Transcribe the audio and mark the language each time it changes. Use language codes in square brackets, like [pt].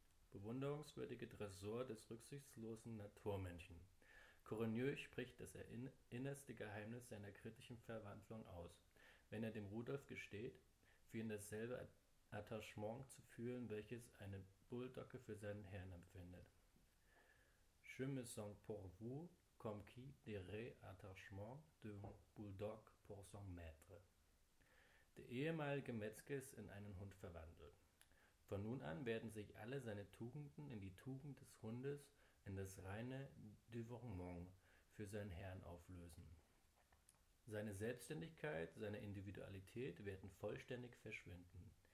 [de] Bewunderungswürdige Dressur des rücksichtslosen Naturmenschen. Coronieux spricht das innerste Geheimnis seiner kritischen Verwandlung aus, wenn er dem Rudolf gesteht, für ihn dasselbe Attachement zu fühlen, welches eine Bulldogge für seinen Herrn empfindet. [fr] Je me sens pour vous comme qui dirait attachement de bulldog pour son maître. [de] Der ehemalige Metzger ist in einen Hund verwandelt. Von nun an werden sich alle seine Tugenden in die Tugend des Hundes, in das reine Dévouement für seinen Herrn auflösen. Seine Selbstständigkeit, seine Individualität werden vollständig verschwinden.